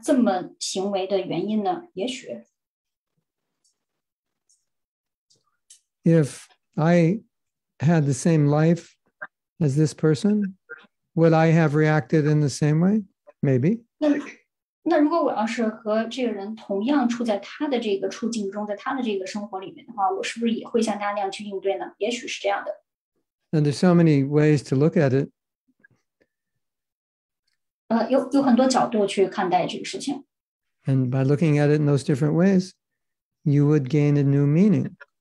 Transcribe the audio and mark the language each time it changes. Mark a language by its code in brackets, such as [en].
[zh] 那么这是不是唯一的这个人他这么行为的原因呢？也许。 [en] If I had the same life as this person, would I have reacted in the same way? Maybe. [zh] 那如果我要是和这个人同样处在他的这个处境中，在他的这个生活里面的话，我是不是也会像他那样去应对呢？也许是这样的。 [en] And there's so many ways to look at it. [zh] 有很多角度去看待这个事情。 [en] And by looking at it in those different ways, you would gain a new meaning.